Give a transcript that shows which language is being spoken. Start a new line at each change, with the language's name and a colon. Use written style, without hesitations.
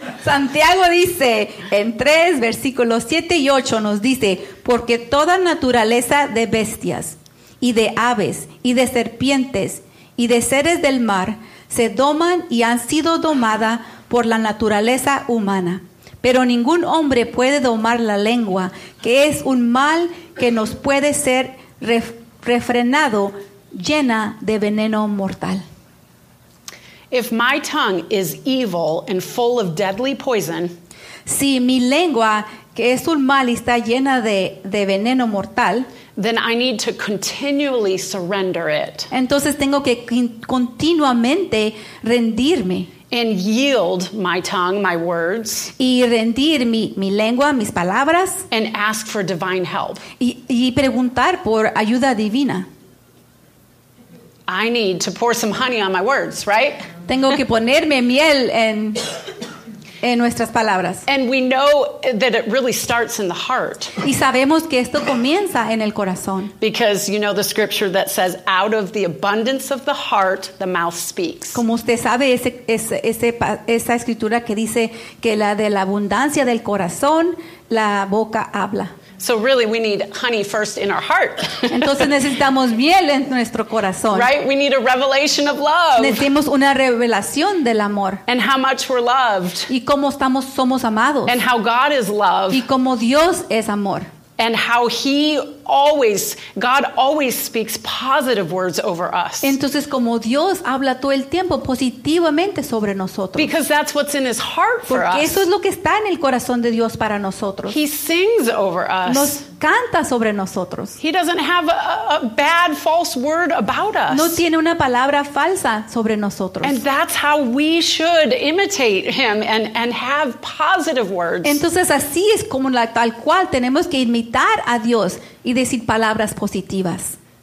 Spanish: Santiago dice, en 3, versículos 7 y 8 nos dice, porque toda naturaleza de bestias, y de aves, y de serpientes, y de seres del mar, se doman y han sido domada por la naturaleza humana. Pero ningún hombre puede domar la lengua, que es un mal que nos puede ser refrenado, llena de veneno mortal.
English: If my tongue is evil and full of deadly poison,
Spanish: si mi lengua, que es un mal y está llena de veneno mortal,
English: then I need to continually surrender it.
Spanish: Entonces tengo que continuamente rendirme.
English: And yield my tongue, my words.
Spanish: Y rendir mi lengua, mis palabras.
English: And ask for divine help.
Spanish: Y preguntar por ayuda divina.
English: I need to pour some honey on my words, right?
Spanish: Tengo que ponerme miel en en nuestras palabras.
English: And we know that it really starts in the heart.
Spanish: Y sabemos que esto comienza en el corazón.
English: Because you know the scripture that says, out of the abundance of the heart, the mouth speaks.
Spanish: Como usted sabe, esa escritura que dice que la de la abundancia del corazón, la boca habla.
English: So really we need honey first in our heart.
Spanish: Entonces necesitamos miel en nuestro corazón.
English: Right? We need a revelation of love.
Spanish: Necesitamos una revelación del amor.
English: And how much we're loved.
Spanish: Y cómo estamos somos amados.
English: And how God is love.
Spanish: Y cómo Dios es amor.
English: And how he always, God always speaks positive words over us.
Spanish: Entonces, como Dios habla todo el tiempo positivamente sobre nosotros.
English: Because that's what's in his heart for
Spanish: Porque
English: us.
Spanish: Eso es lo que está en el corazón de Dios para nosotros.
English: He sings over us.
Spanish: Nos canta sobre nosotros.
English: He doesn't have a bad false word about us.
Spanish: No tiene una palabra falsa sobre nosotros.
English: And that's how we should imitate him and have positive words.
Spanish: Entonces, así es como la tal cual tenemos que imitar a Dios y decir palabras positivas.